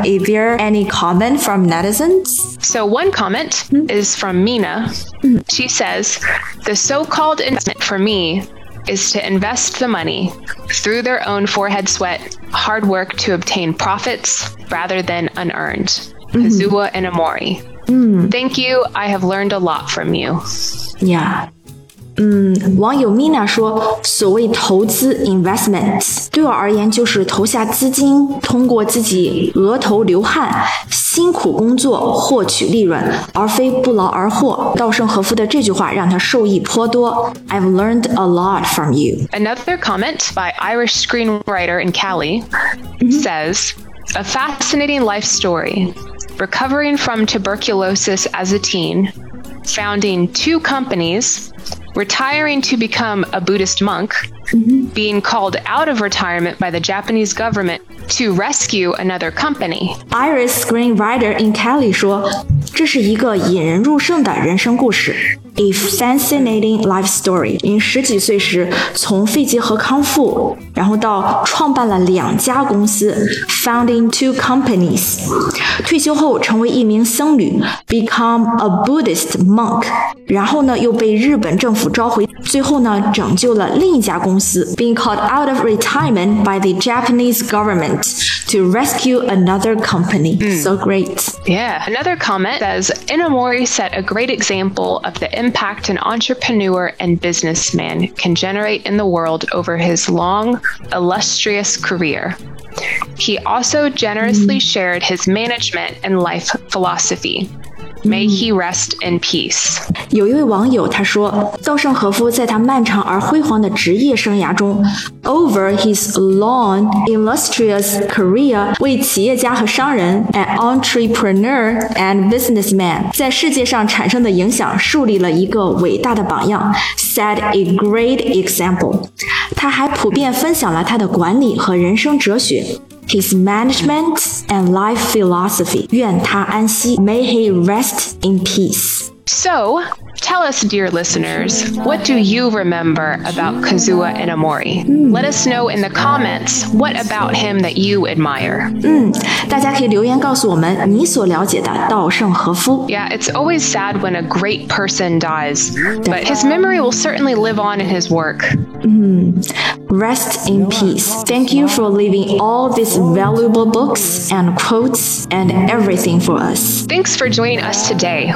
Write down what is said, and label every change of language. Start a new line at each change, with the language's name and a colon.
English: Is there any comment from netizens? So one comment is from Mina. She says, the so-called investment for me is to invest the money through their own forehead sweat, hard work to obtain profits rather than unearned. Kazuo Inamori. Thank you, I have learned a lot from you. Yeah.
Chinese: 网友 Mina 说，所谓投资 investment 对我而言就是投下资金，通过自己额头流汗辛苦工作获取利润，而非不劳而获。稻盛和夫的这句话让他受益颇多。
English: I've learned a lot from you. Another comment by Irish screenwriter in Cali says, A fascinating life story. Recovering from tuberculosis as a teen, founding two companiesretiring to become a Buddhist monk, being called out of retirement by the Japanese government to rescue another company.
Chinese: Iris screenwriter in Kelly 说，这是一个引人入胜的人生故事。
English: A fascinating life story.
Chinese: 您十几岁时从肺结核康复，然后到创办了两家公司 ，
English: founding two companies.
Chinese: 退休后成为一名僧侣 ，
English: become a Buddhist monk.
Chinese: 然后呢，又被日本政府召回，最后呢，拯救了另一家公司 ，
English: being called out of retirement by the Japanese government to rescue another company.、 So great. Yeah. Another comment says Inamori set a great example of the. Impact an entrepreneur and businessman can generate in the world over his long, illustrious career. He also generously shared his management and life philosophy. May he rest in peace.
Chinese: 有一位网友他说，稻盛和夫在他漫长而辉煌的职业生涯中 ，
English: over his long, illustrious career,
Chinese: 为企业家和商人 ，
English: an entrepreneur and businessman,
Chinese: 在世界上产生的影响，树立了一个伟大的榜样 ，
English: set a great example.
Chinese: 他还普遍分享了他的管理和人生哲学。
English: His management and life philosophy.
Chinese: 愿他安息
English: May he rest in peace. So, tell us, dear listeners, what do you remember about Kazuo Inamori? Let us know in the comments what about him that you admire.
Chinese: 大家可以留言告诉我们你所了解的稻盛和夫
English: Yeah, it's always sad when a great person dies, but his memory will certainly live on in his work. Rest in peace. Thank you for leaving all these valuable books and quotes and everything for us. Thanks for joining us today.